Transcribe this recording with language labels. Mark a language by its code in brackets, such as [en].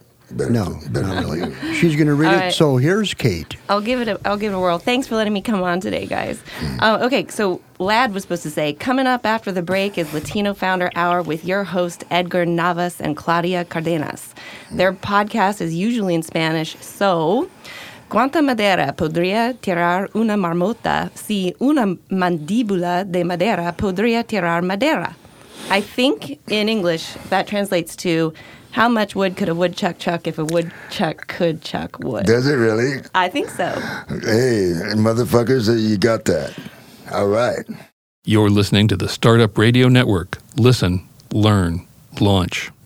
[en] Better not really. She's going to read it. So here's Kate. I'll give it a whirl. Thanks for letting me come on today, guys. Okay, so Lad was supposed to say, coming up after the break is Latino Founder Hour with your host, Edgar Navas and Claudia Cardenas. Their podcast is usually in Spanish, so... [es] ¿Cuánta madera podría tirar una marmota si una mandíbula de madera podría tirar madera? [en] I think in English that translates to... How much wood could a woodchuck chuck if a woodchuck could chuck wood? Does it really? I think so. Hey, motherfuckers, you got that. All right. You're listening to the Startup Radio Network. Listen, learn, launch.